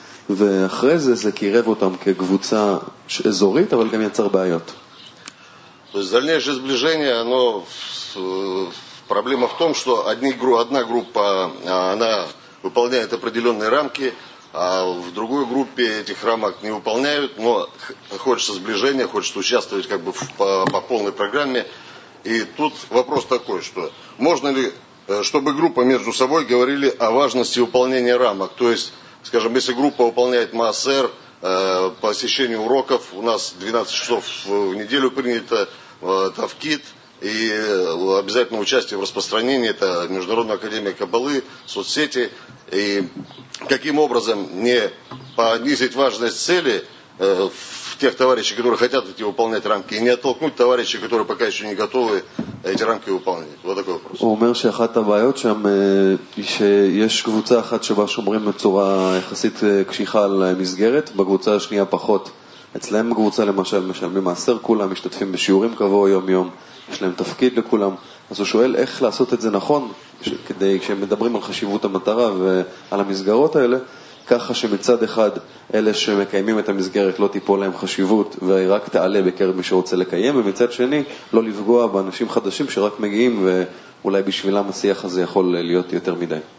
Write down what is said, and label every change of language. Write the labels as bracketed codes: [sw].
[he] ואחרי זה זה קירב אותם כקבוצה אזורית, אבל גם יצר בעיות. [ru] Дальнейшее сближение, но проблема в том, что одна группа, она выполняет определенные рамки, а в другой группе этих рамок не выполняют, но хочется сближения, хочется участвовать как бы по полной программе. И тут вопрос такой, что можно ли, чтобы группа между собой говорили о важности выполнения рамок, то есть... Скажем, если группа выполняет МАСР, посещение уроков, у нас 12 часов в неделю принято, тавкит, и обязательно участие в распространении, это Международная Академия Каббалы, соцсети, и каким образом не понизить важность цели тех товарищей, которые хотят эти выполнять рамки, и не оттолкнуть товарищей, которые пока еще не готовы эти рамки выполнять. Вот такой вопрос. Он говорит, что одна из проблем, что есть группа одна, которая шумрит в [he] צורה יחסית קשיחה על המסגרת, בקבוצה השנייה פחות. אצלם קבוצה למשל משלמים מעשר כולם, משתתפים בשיעורים קבוע יום-יום, יש להם תפקיד לכולם. אז הוא שואל איך לעשות את זה נכון, כדי כשמדברים על חשיבות המטרה ועל המסגרות האלה, ככה שמצד אחד אלה שמקיימים את המסגרת לא תיפול להם חשיבות והיא רק תעלה בקרב מי שרוצה לקיים, ומצד שני לא לפגוע באנשים חדשים שרק מגיעים ואולי בשבילם השיח הזה יכול להיות יותר מדי.